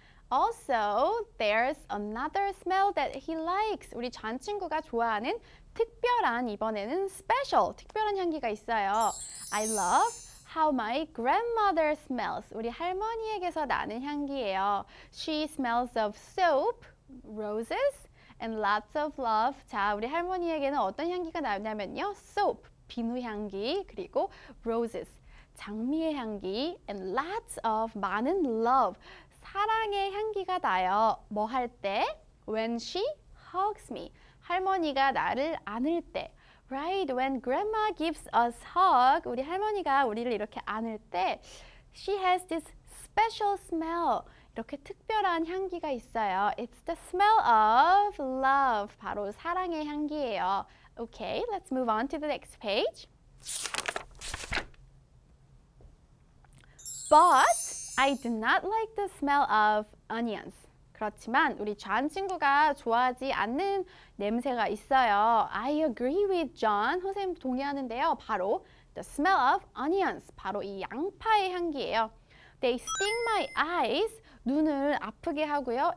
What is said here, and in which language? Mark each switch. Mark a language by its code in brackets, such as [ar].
[en] Also, there's another smell that he likes. [ko] 우리 잔 친구가 좋아하는 특별한, 이번에는 special, 특별한 향기가 있어요. [en] I love how my grandmother smells. [ko] 우리 할머니에게서 나는 향기예요. [en] She smells of soap, roses, and lots of love. [ko] 자, 우리 할머니에게는 어떤 향기가 나냐면요. Soap, 비누 향기, 그리고 roses, 장미의 향기, [en] and lots of, [ko] 많은 love, 사랑의 향기가 나요. 뭐 할 때? [en] When she hugs me. [ko] 할머니가 나를 안을 때, [en] right? When grandma gives us hug, [ko] 우리 할머니가 우리를 이렇게 안을 때, [en] she has this special smell. [ko] 이렇게 특별한 향기가 있어요. [en] It's the smell of love. [ko] 바로 사랑의 향기예요. [en] Okay, let's move on to the next page. But I do not like the smell of onions. [ko] 그렇지만 우리 존 친구가 좋아하지 않는 냄새가 있어요. [en] I agree with John. [ko] 선생님 동의하는데요. 바로 [en] the smell of onions. [ko] 바로 이 양파의 향기예요. [en] They sting my eyes. [ko] 눈을 아프게 하고요.